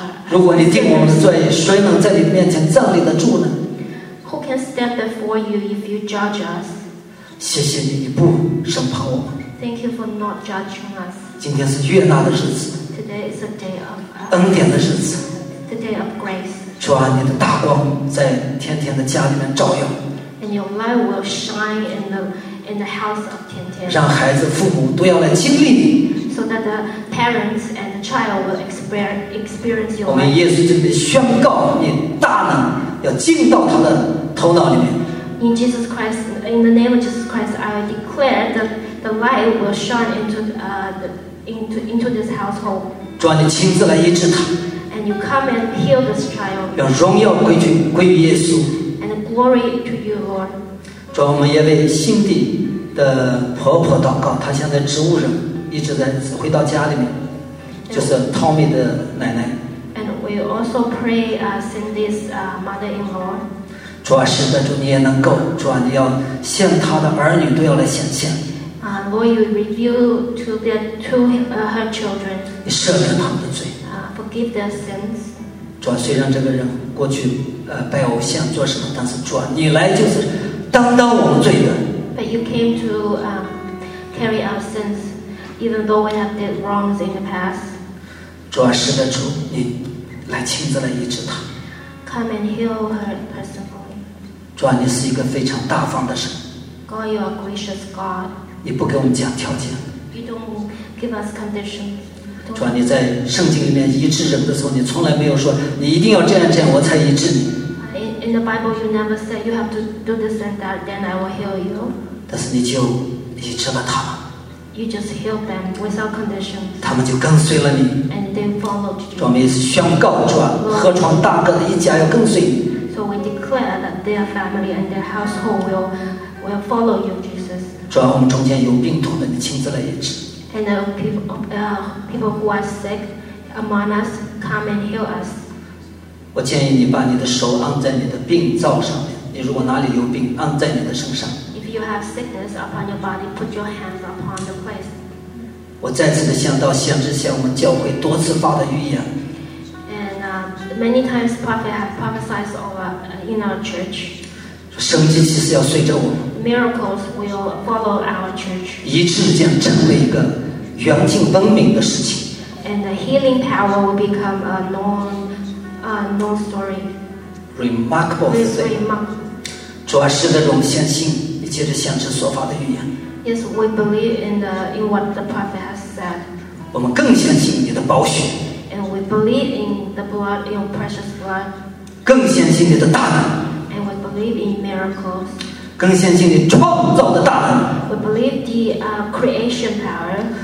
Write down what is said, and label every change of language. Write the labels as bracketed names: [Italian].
[Chinese] 如果你定我们的罪，谁能在你面前站立得住呢？ [English] Who can stand before you if you judge us? [Chinese] 谢谢你，你不审判我们。 [English] Thank you for not judging us. [Chinese] 今天是悦纳的日子。 [English] Today is a day of [Chinese] 恩典的日子。 [English] The day of grace. [Chinese] 主啊，你的大光在甜甜的家里面照耀。 [English] And your light will shine in the house of 甜甜。 [Chinese] 让孩子、父母都要来经历你。 [English] So that the parents and the child will experience your. [Chinese] 我们耶稣就得宣告你大能要进到他的头脑里面。 [English] In Jesus Christ, in the name of Jesus Christ, I declare that the light will shine into this household. [Chinese] 主啊，你亲自来医治他。 [English] And you come and heal this child. [Chinese] 要荣耀归于耶稣。 [English] And the Glory to you, Lord. [Chinese] 主，我们也为辛蒂的婆婆祷告，她现在植物人，一直在回到家里面，就是 Tommy 的奶奶。 [English] And we also pray Cindy's mother-in-law. [Chinese] 主啊，是的，主你也能够，主啊，你要向她的儿女都要来显现。 [English] Lord, you reveal to the two her children. [Chinese] 你赦免他们的罪。 [English] Forgive their sins. [Chinese] 主啊，虽然这个人过去拜偶像做什么，但是主啊，你来就是担当我们罪的。 [English] But you came to carry our sins, even though we have did wrongs in the past. [Chinese] 主啊，是的，主，你来亲自来医治他。 [English] Come and heal her personally. [Chinese] 主啊，你是一个非常大方的神。 [English] God, you are gracious God. [Chinese] 你不给我们讲条件。 [English] You don't give us conditions. [Chinese] 主啊，你在圣经里面医治人的时候，你从来没有说你一定要这样这样我才医治你。 [English] In the Bible, you never said you have to do this and that, then I will heal you. [Chinese] 但是你就医治了他们。 [English] You just healed them without conditions. [Chinese] 他们就跟随了你。 [English] And they followed you. [Chinese] 主啊，我们宣告主啊，河床大哥的一家要跟随你。 [English] So we declare that their family and their household will follow you, Jesus. [Chinese] 主啊，我们中间有病痛的，你亲自来医治。 [English] And the people who are sick among us come and heal us. [Chinese] 我建议你把你的手按在你的病灶上面。你如果哪里有病，按在你的身上。 [English] If you have sickness upon your body, put your hands upon the place. [Chinese] 我再次的向到先知向我们教会多次发的预言。 [English] And many times prophet have prophesied over in our church. [Chinese] 说神迹其实要随着我们。 [English] Miracles will follow our church. [Chinese] 医治将成为一个远近闻名的事情。 [English] And the healing power will become a known story. Remarkable thing. [Chinese] 主啊，是的，我们相信，你借着先知所发的预言。 [English] Yes, we believe in what the prophet has said. [Chinese] 我们更相信你的宝血。 [English] And we believe in the blood, your precious blood. [Chinese] 更相信你的大能。 [English] And we believe in miracles. [Chinese] 更相信你创造的大能。 [English] We believe the creation power.